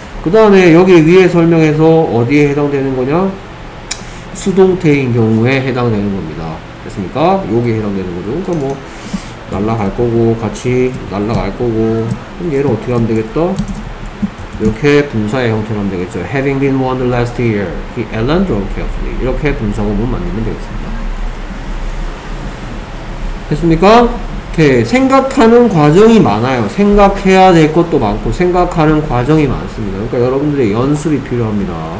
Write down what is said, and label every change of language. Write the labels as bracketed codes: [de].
[ko] 그 다음에 여기 위에 설명해서 어디에 해당되는 거냐? 수동태인 경우에 해당되는 겁니다. 됐습니까? 여기에 해당되는 거죠. 그러니까 뭐 날라갈 거고 같이 날라갈 거고 그럼 얘를 어떻게 하면 되겠다? 이렇게 분사의 형태로 하면 되겠죠. [en] Having been warned last year, he Ellen drove carefully. [ko] 이렇게 분사구문 만들면 되겠습니다. 됐습니까? 이렇게 생각하는 과정이 많아요. 생각해야 될 것도 많고 생각하는 과정이 많습니다. 그러니까 여러분들의 연습이 필요합니다.